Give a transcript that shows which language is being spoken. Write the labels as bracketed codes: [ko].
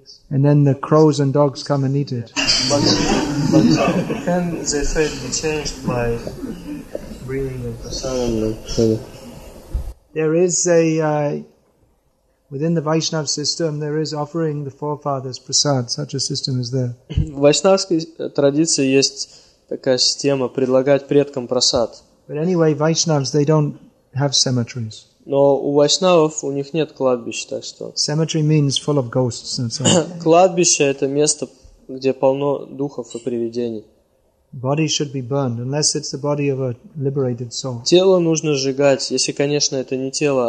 [en] And then the crows and dogs come and eat it. But can the fate be changed by bringing the prasadam? There is within the Vaishnav system, there is offering the forefathers prasad. Such a system is there. [ru] В вайшнавской традиции есть такая система предлагать предкам прасад. [en] But anyway, Vaishnavs, they don't have cemeteries. [ru] Но у вайшнавов у них нет кладбища, так что. [en] Cemetery means full of ghosts and so on. [ru] Кладбище это место, где полно духов и привидений. [en] Body should be burned unless it's the body of a liberated soul. [ru] Тело нужно сжигать, если, конечно, это не тело, а